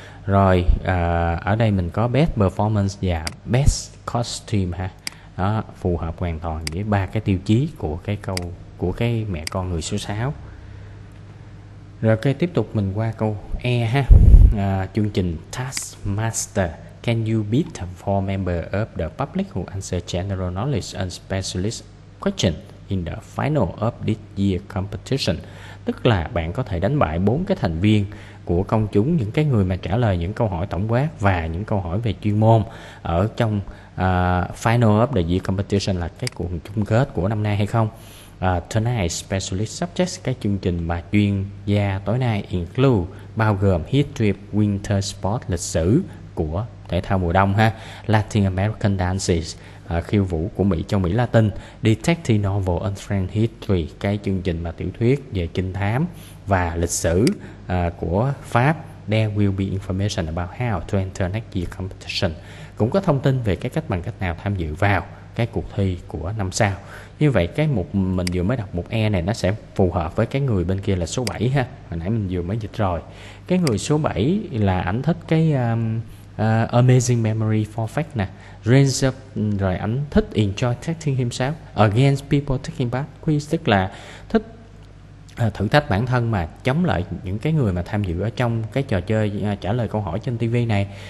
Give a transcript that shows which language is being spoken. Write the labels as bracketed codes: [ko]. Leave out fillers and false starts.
[vi] Rồi ở đây mình có best performance và best costume ha. Đó, phù hợp hoàn toàn với ba cái tiêu chí của cái câu, của cái mẹ con người số 6. Rồi cái tiếp tục mình qua câu E ha. Chương trình Taskmaster. [en] Can you beat the four members of the public who answer general knowledge and specialist question in the final of this year competition? [vi] Tức là bạn có thể đánh bại bốn cái thành viên của công chúng, những cái người mà trả lời những câu hỏi tổng quát và những câu hỏi về chuyên môn ở trong [en] final of the year competition, [vi] là cái cuộc chung kết của năm nay hay không? [en] Tonight specialist subjects, [vi] cái chương trình mà chuyên gia tối nay, include bao gồm [en] history, winter sport, [vi] lịch sử của thể thao mùa đông ha, [en] Latin American dances, [vi] khiêu vũ của Mỹ châu Mỹ Latin, [en] detective novel and French history, [vi] cái chương trình mà tiểu thuyết về trinh thám, và lịch sử của Pháp. [en] There will be information about how to enter next year competition. [vi] Cũng có thông tin về cái cách, bằng cách nào tham dự vào cái cuộc thi của năm sau. Như vậy cái mục mình vừa mới đọc, mục E này, nó sẽ phù hợp với cái người bên kia là số 7 ha. Hồi nãy mình vừa mới dịch rồi. Cái người số 7 là ảnh thích cái [en] amazing memory for fact [vi] nè, range of, rồi ảnh thích [en] enjoy testing himself against people taking part quiz, [vi] tức là thích thử thách bản thân mà chống lại những cái người mà tham dự ở trong cái trò chơi trả lời câu hỏi trên TV này.